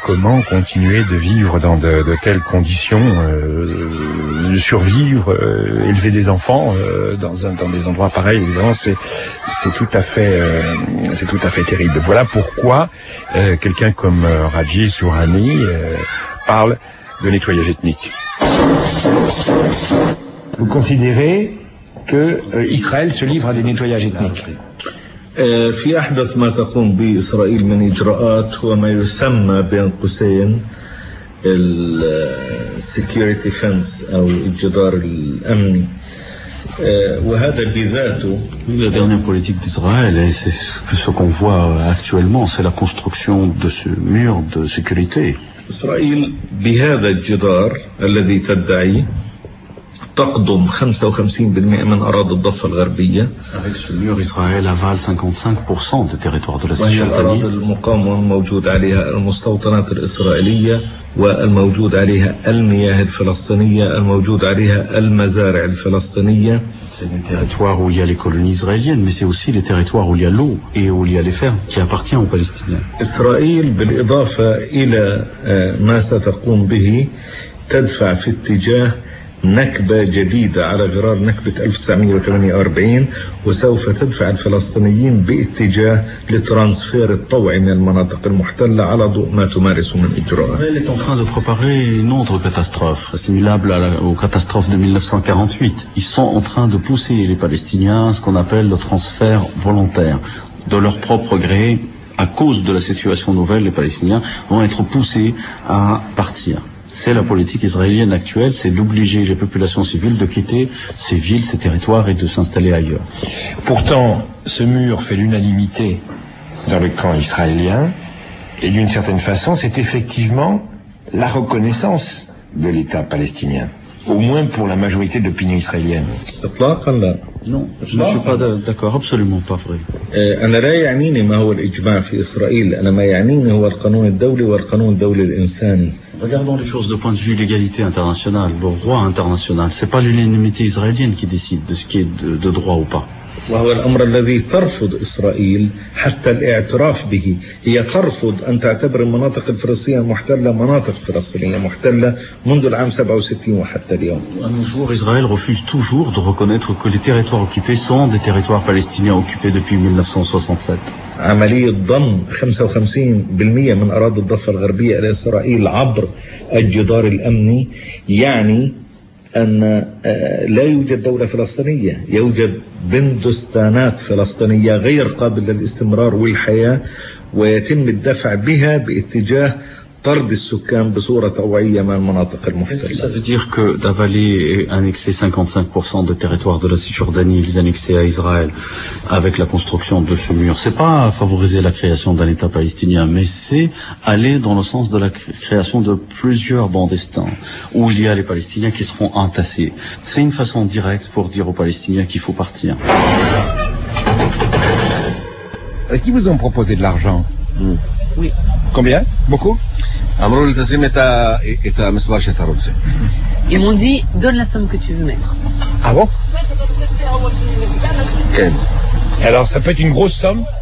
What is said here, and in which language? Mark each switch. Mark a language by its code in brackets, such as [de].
[fr] Comment continuer de vivre dans de telles conditions, de survivre, élever des enfants dans des endroits pareils, évidemment, c'est tout à fait terrible. Voilà pourquoi quelqu'un comme Raji Sourani parle de nettoyage ethnique. Vous considérez que Israël se livre à des nettoyages ethniques? [ar] في أحدث ما تقوم به إسرائيل من إجراءات هو ما يسمى بين قوسين السكيورتي فنس أو الجدار الأمني وهذا بذاته. [fr] La dernière politique d'Israël, et c'est ce qu'on voit actuellement, c'est la construction de ce mur de sécurité. [ar] إسرائيل بهذا الجدار الذي تدعي تقدم 55% من أراضي الضفة الغربية. [fr] Avec ce mur, Israël avale 55% du territoire de la Cisjordanie. [ar] وهي الأراضي المقاومة موجود عليها المستوطنات الإسرائيلية والموجود عليها المياه الفلسطينية الموجود عليها المزارع الفلسطينية. [fr] C'est des territoires où il y a les colonies israéliennes, mais c'est aussi les territoires où il y a l'eau et où il y a les fermes qui appartiennent aux Palestiniens. [ar] إسرائيل بالإضافة إلى ما ستقوم به تدفع في اتجاه نكبة جديدة على غرار نكبة 1948 وسوف تدفع الفلسطينيين باتجاه لترانسفير الطوعي من المناطق المحتلة على ضوء ما تمارسه من إجراءات. [fr] Israël est en train de préparer une autre catastrophe assimilable aux catastrophes de 1948. Ils sont en train de pousser les Palestiniens ce qu'on appelle le transfert volontaire de leur propre gré. À cause de la situation nouvelle, les Palestiniens vont être poussés à partir. C'est la politique israélienne actuelle, c'est d'obliger les populations civiles de quitter ces villes, ces territoires et de s'installer ailleurs. Pourtant, ce mur fait l'unanimité dans le camp israélien, et d'une certaine façon, c'est effectivement la reconnaissance de l'État palestinien, au moins pour la majorité de l'opinion israélienne. Non, je ne suis pas d'accord, absolument pas vrai. Je ne sais pas ce qu'est l'Ijma en Israël, je ne sais pas ce qu'est le droit international et le droit international. Regardons les choses de point de vue légalité internationale, le droit international. C'est pas l'unanimité israélienne qui décide de ce qui est de droit ou pas. [ar] وهو الأمر الذي ترفض إسرائيل حتى الاعتراف به هي ترفض أن تعتبر المناطق الفلسطينية محتلة مناطق فلسطينية محتلة منذ العام 67 وحتى اليوم. [fr] Un jour, Israël refuse toujours de reconnaître que les territoires occupés sont des territoires palestiniens occupés depuis 1967. [ar] عملية ضم 55% من أراضي الضفة الغربية إلى إسرائيل عبر الجدار الأمني يعني أن لا يوجد دولة فلسطينية يوجد بندستانات فلسطينية غير قابلة للاستمرار والحياة ويتم الدفع بها باتجاه طرد السكان بصورة طوعية من المناطق المحتلة. [fr] Ça veut dire que d'avaler et annexer 55% de territoire de la Cisjordanie, ils annexaient à Israël avec la construction de ce mur. C'est pas favoriser la création d'un État palestinien, mais c'est aller dans le sens de la création de plusieurs bancs d'estin où il y a les Palestiniens qui seront entassés. C'est une façon directe pour dire aux Palestiniens qu'il faut partir. Est-ce qu'ils vous ont proposé de l'argent? Oui. Combien? Beaucoup? [he] אמרו לי תשים את את המספר שאתה רוצה. [fr] Ils m'ont dit donne la somme que tu veux mettre. Ah bon? [he] כן. [fr] Alors ça peut être une grosse somme?